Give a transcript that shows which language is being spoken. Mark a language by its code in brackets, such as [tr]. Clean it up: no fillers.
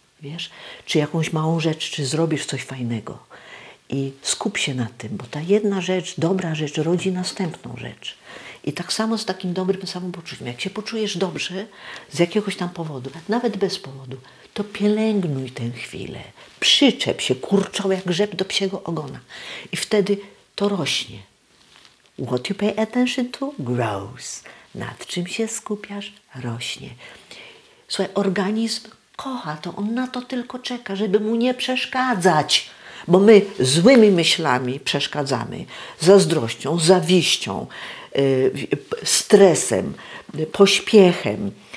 [pl] Wiesz, czy jakąś małą rzecz, czy zrobisz coś fajnego i skup się na tym, bo ta jedna rzecz, dobra rzecz rodzi następną rzecz. I tak samo z takim dobrym samopoczuciem. Jak się poczujesz dobrze z jakiegoś tam powodu, nawet bez powodu, to pielęgnuj tę chwilę. Przyczep się kurczowo jak grzeb do psiego ogona. I wtedy to rośnie. [en] What you pay attention to grows. [pl] Nad czym się skupiasz, rośnie. Słuchaj, organizm kocha to, on na to tylko czeka, żeby mu nie przeszkadzać. Bo my złymi myślami przeszkadzamy. Zazdrością, zawiścią, stresem, pośpiechem.